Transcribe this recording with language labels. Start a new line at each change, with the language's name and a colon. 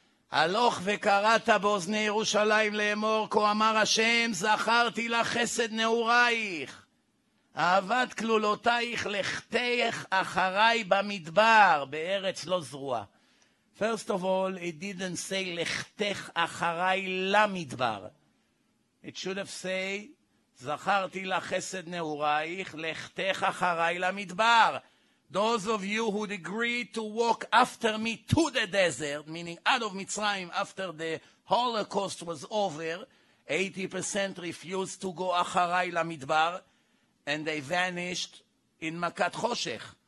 Hebrew: הלוך וקראת באוזני ירושלים לאמור, כה אמר השם, זכרתי לחסד נעורייך, אהבת כלולותייך, לכתייך אחריי במדבר, בארץ לא זרוע.
English: First of all, it didn't say,
Hebrew: לכתך אחריי למדבר.
English: It should have said,
Hebrew: זכרתי לחסד נעורייך, לכתך אחריי למדבר.
English: Those of you who agree to walk after me to the desert, meaning out of Mitzrayim after the Holocaust was over, 80% refused to go
Hebrew: acharai lamidbar,
English: and they vanished in Makat Choshech.